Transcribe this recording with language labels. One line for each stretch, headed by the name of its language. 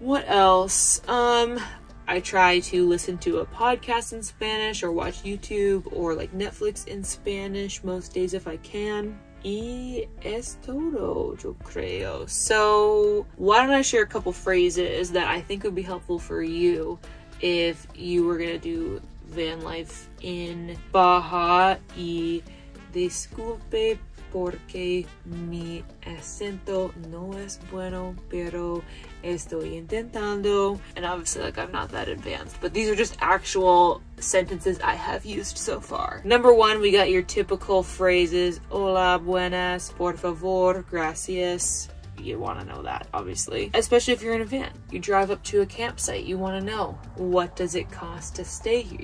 English: What else? I try to listen to a podcast in Spanish or watch YouTube or like Netflix in Spanish most days if I can.
Spanish: Y es todo, yo creo.
English: So why don't I share a couple phrases that I think would be helpful for you if you were gonna do van life in Baja.
Spanish: Y disculpe porque mi acento no es bueno, pero estoy intentando.
English: And obviously, like, I'm not that advanced, but these are just actual sentences I have used so far. Number one, we got your typical phrases.
Spanish: Hola, buenas, por favor, gracias.
English: You want to know that, obviously. Especially if you're in a van. You drive up to a campsite, you want to know, what does it cost to stay here?